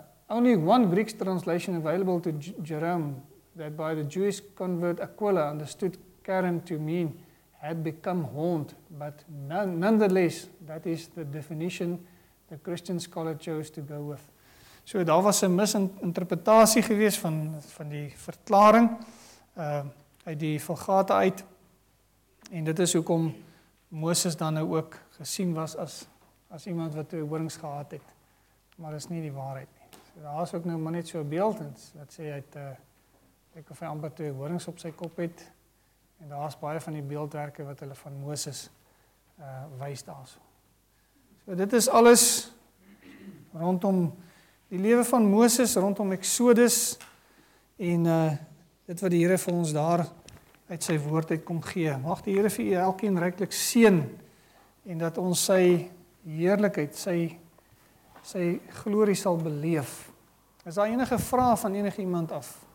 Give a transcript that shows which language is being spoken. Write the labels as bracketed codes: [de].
[en] Only one Greek translation available to Jerome, that by the Jewish convert Aquila, understood Karen to mean, had become horned. But nonetheless, that is the definition the Christian scholar chose to go with. [af] So daar was 'n misinterpretasie gewees van die verklaring uit die Vulgata uit. En dit is hoekom Moses dan nou ook gesien was as iemand wat twee horings gehad het. Maar dit is nie die waarheid nie. Daar is ook nou maar net so'n beeld, en dat sê, ek of hy amper twee horings op sy kop het, en daar is baie van die beeldwerke wat hulle van Moses wys daar so. So dit is alles rondom die lewe van Moses, rondom Exodus, en dit wat die Here vir ons daar uit sy woord uit kom gee. Mag die Here vir u elkeen ryklik seën, en dat ons sy heerlikheid, sy glorie sal beleef. Is daar enige vraag van enige iemand af?